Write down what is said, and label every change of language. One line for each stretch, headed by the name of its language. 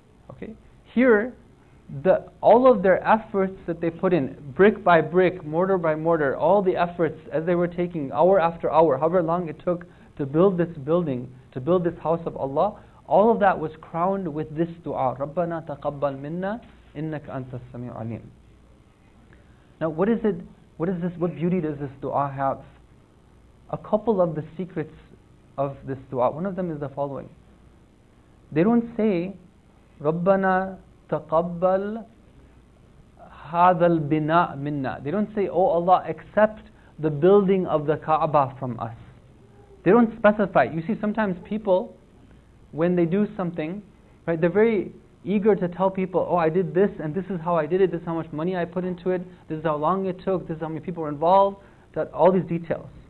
English: Okay, here, all of their efforts that they put in, brick by brick, mortar by mortar, all the efforts as they were taking, hour after hour, however long it took to build this building, to build this house of Allah, all of that was crowned with this dua,
Arabic: رَبَّنَا تَقَبَّلْ مِنَّا إِنَّكَ أَنْتَ السَّمِيعُ الْعَلِيمُ.
English: Now, what is it, what is this, what beauty does this dua have? A couple of the secrets of this dua, one of them is the following. They don't say,
Arabic: رَبَّنَا تَقَبَّلْ هَذَا الْبِنَاءَ مِنَّا.
English: They don't say, oh Allah, accept the building of the Kaaba from us. They don't specify. You see, sometimes people, when they do something, right, they're very eager to tell people, oh, I did this, and this is how I did it, this is how much money I put into it, this is how long it took, this is how many people were involved, that all these details.